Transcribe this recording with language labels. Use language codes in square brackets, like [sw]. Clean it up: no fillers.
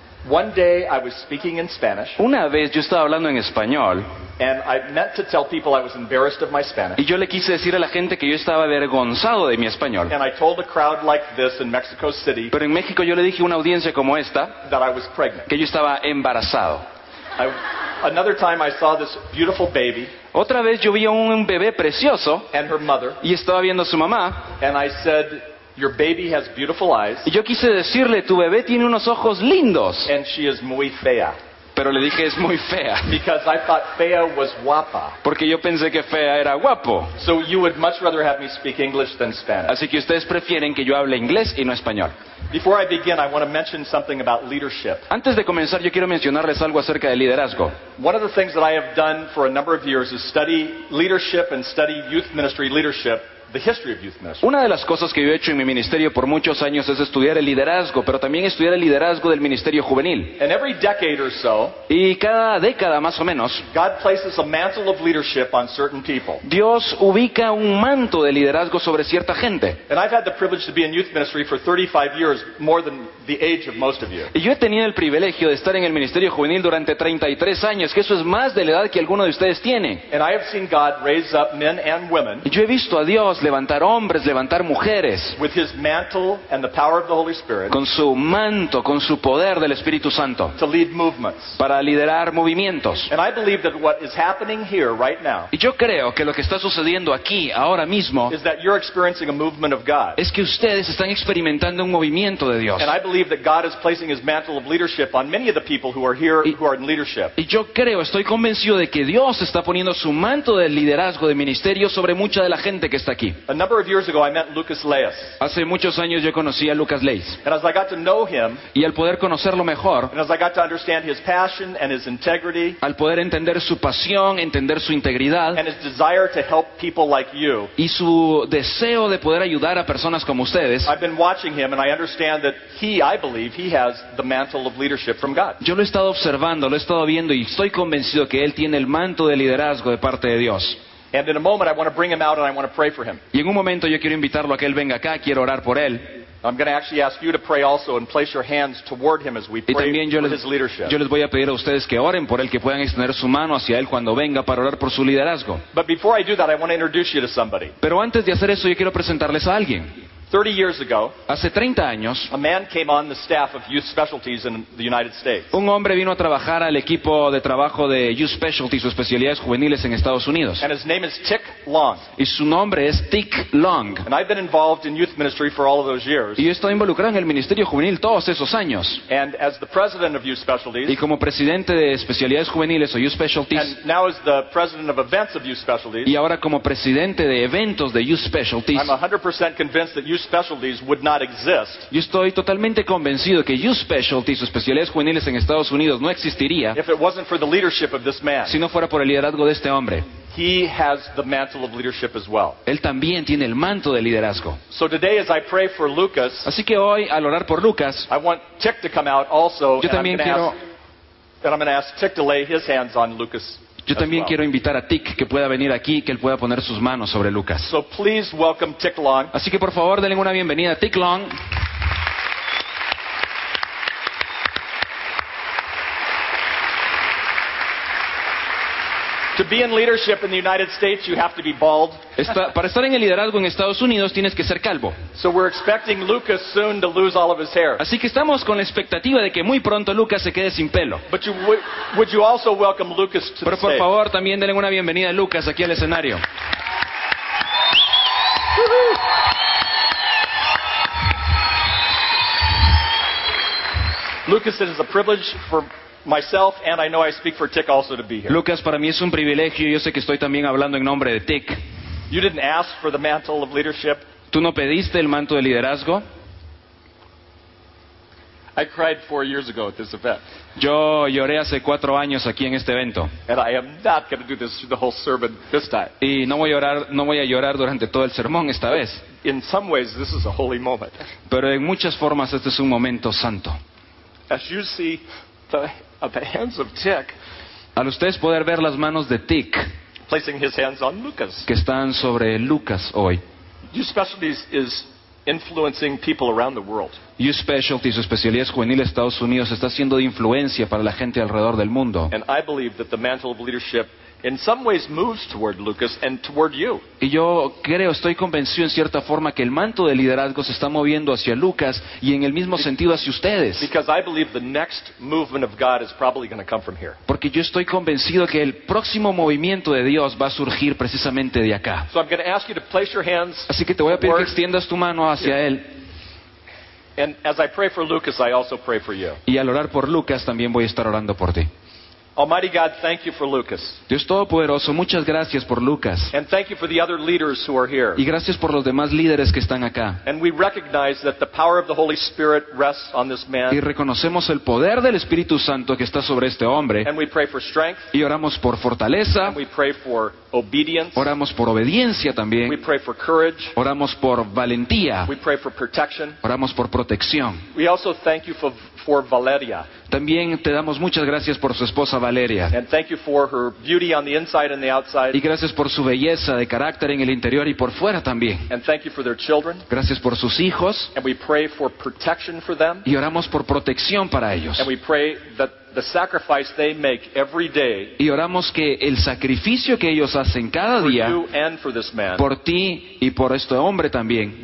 [en] One day I was speaking in Spanish. [es] Una vez yo estaba hablando en español. [en] And I meant to tell people I was embarrassed of my Spanish. [es] Y yo le quise decir a la gente que yo estaba avergonzado de mi español. [en] And I told a crowd like this in Mexico City. [es] Pero en México yo le dije a una audiencia como esta. [en] That I was pregnant. [es] Que yo estaba embarazado. [en] Another time I saw this beautiful baby. [es] Otra vez yo vi a un bebé precioso. [en] And her mother. [es] Y estaba viendo a su mamá. [en] And I said, "Your baby has beautiful eyes." [es] Y yo quise decirle, "Tu bebé tiene unos ojos lindos." [en] And she is [es] muy fea. Pero le dije, es muy fea. [en] Because I thought fea was guapa. [es] Porque yo pensé que fea era guapo. [en] So you would much rather have me speak English than Spanish. [es] Así que ustedes prefieren que yo hable inglés y no español. [en] Before I begin, I want to mention something about leadership. [es] Antes de comenzar, yo quiero mencionarles algo acerca de liderazgo. [en] One of the things that I have done for a number of years is study leadership and study youth ministry leadership. The history of youth ministry. [es] Una de las cosas que yo he hecho en mi ministerio por muchos años es estudiar el liderazgo, pero también estudiar el liderazgo del ministerio juvenil. [en] And every decade or so, [es] y cada década más o menos, [en] God places a mantle of leadership on certain people. [es] Dios ubica un manto de liderazgo sobre cierta gente. [en] And I've had the privilege to be in youth ministry for 35 years, more than the age of most of you. [es] Y yo he tenido el privilegio de estar en el ministerio juvenil durante 33 años, que eso es más de la edad que alguno de ustedes tiene. [en] And I have seen God raise up men and women. [es] Y yo he visto a Dios levantar hombres, levantar mujeres [en] with his mantle and the power of the Holy Spirit, [es] con su manto, con su poder del Espíritu Santo, [en] to lead movements, [es] para liderar movimientos. [en] And I believe that what is happening here right now, [es] y yo creo que lo que está sucediendo aquí ahora mismo, [en] is that you're experiencing a movement of God. [es] Es que ustedes están experimentando un movimiento de Dios. [en] And I believe that God is placing his mantle of leadership on many of the people who are here, who are in leadership. [es] Y yo creo, estoy convencido de que Dios está poniendo su manto de liderazgo de ministerio sobre mucha de la gente que está aquí. [en] A number of years ago, I met Lucas Leis. [es] Hace muchos años yo conocí a Lucas Leis. [en] And as I got to know him, [es] y al poder conocerlo mejor, [en] and as I got to understand his passion and his integrity, [es] al poder entender su pasión, entender su integridad, [en] and his desire to help people like you, [es] y su deseo de poder ayudar a personas como ustedes, [en] I've been watching him and I understand that I believe he has the mantle of leadership from God. [es] Yo lo he estado observando, lo he estado viendo y estoy convencido que él tiene el manto de liderazgo de parte de Dios. [en] And in a moment, I want to bring him out and I want to pray for him. [es] Y en un momento yo quiero invitarlo a que él venga acá, quiero orar por él. [en] I'm going to actually ask you to pray also and place your hands toward him as we pray for his leadership. [es] Yo les voy a pedir a ustedes que oren por él, que puedan extender su mano hacia él cuando venga para orar por su liderazgo. [en] But before I do that, I want to introduce you to somebody. [es] Pero antes de hacer eso, yo quiero presentarles a alguien. [en] 30 years ago, [es] hace 30 años, [en] a man came on the staff of Youth Specialties in the United States. [es] Un hombre vino a trabajar al equipo de trabajo de Youth Specialties o especialidades juveniles en Estados Unidos. [en] And his name is Tick Long. [es] Y su nombre es Tick Long. [en] And I've been involved in youth ministry for all of those years. [es] Y yo he estado involucrado en el ministerio juvenil todos esos años. [en] And as the president of Youth Specialties, [es] y como presidente de especialidades juveniles o Youth Specialties, [en] and now as the president of events of Youth Specialties, [es] y ahora como presidente de eventos de Youth Specialties, [en] I'm 100% convinced that Youth Specialties would not exist. [es] Yo estoy totalmente convencido que Youth Specialties, o especialidades juveniles en Estados Unidos, no existiría [en] if it wasn't for the leadership of this man. [es] Si no fuera por el liderazgo de este hombre. [en] He has the mantle of leadership as well. [es] Él también tiene el manto de liderazgo. [en] So today, as I pray for Lucas, [es] así que hoy, al orar por Lucas, [en] I want Tick to come out also. [es] Yo también quiero [en] And I'm going to ask Tick to lay his hands on Lucas. [es] Yo también quiero invitar a Tick que pueda venir aquí, que él pueda poner sus manos sobre Lucas. [en] So please welcome Tick Long. [es] Así que por favor denle una bienvenida a Tick Long. [en] To be in leadership in the United States, you have to be bald. [es] Para estar en el liderazgo en Estados Unidos, tienes que ser calvo. [en] So we're expecting Lucas soon to lose all of his hair. [es] Así que estamos con la expectativa de que muy pronto Lucas se quede sin pelo. [en] But you would you also welcome Lucas to the stage? [es] Pero por favor, también denle una bienvenida a Lucas aquí al escenario. [en] Lucas, it is a privilege for myself, and I know I speak for Tick also to be here. [es] Lucas, para mí es un privilegio. Yo sé que estoy también hablando en nombre de Tick. [en] You didn't ask for the mantle of leadership. [es] Tú no pediste el manto de liderazgo. [en] I cried 4 years ago at this event. [es] Yo lloré hace 4 años aquí en este evento. [en] And I am not going to do this through the whole sermon this time. [es] Y no voy a llorar durante todo el sermón esta vez. [en] In some ways, this is a holy moment. [es] Pero en muchas formas este es un momento santo. [en] As you see. The hands of Tick. [es] Al ustedes poder ver las manos de Tick, [en] placing his hands on Lucas, [es] que están sobre Lucas hoy. [en] Your specialty is influencing people around the world. Your specialty, [es] su especialidad es juvenil en Estados Unidos, está siendo de influencia para la gente alrededor del mundo. [en] And I believe that the mantle of leadership in some ways moves toward Lucas and toward you. [es] Y yo creo, estoy convencido en cierta forma que el manto de liderazgo se está moviendo hacia Lucas y en el mismo sentido hacia ustedes. [en] Because I believe the next movement of God is probably going to come from here. [es] Porque yo estoy convencido que el próximo movimiento de Dios va a surgir precisamente de acá. [en] So I'm going to ask you to place your hands. [es] Así que te voy a pedir que extiendas tu mano hacia él. [en] And as I pray for Lucas, I also pray for you. [es] Y al orar por Lucas también voy a estar orando por ti. [en] Almighty God, thank you for Lucas. [es] Dios Todopoderoso, muchas gracias por Lucas. [en] And thank you for the other leaders who are here. [es] Y gracias por los demás líderes que están acá. [en] And we recognize that the power of the Holy Spirit rests on this man. [es] Y reconocemos el poder del Espíritu Santo que está sobre este hombre. [en] And we pray for strength. [es] Y oramos por fortaleza. [en] And we pray for obedience. [es] Oramos por obediencia también. [en] We pray for courage. [es] Oramos por valentía. [en] We pray for protection. [es] Oramos por protección. [en] We also thank you for Valeria. [es] También te damos muchas gracias por su esposa Valeria. [en] And thank you for her beauty on the inside and the outside. [es] Y gracias por su belleza de carácter en el interior y por fuera también. [en] And thank you for their children. [es] Gracias por sus hijos. [en] And we pray for protection for them. [es] Y oramos por protección para ellos. [en] And we pray that the sacrifice they make every day. [es] Y oramos que el sacrificio que ellos hacen cada día, [en] for you and for this man, [es] por ti y por este hombre también,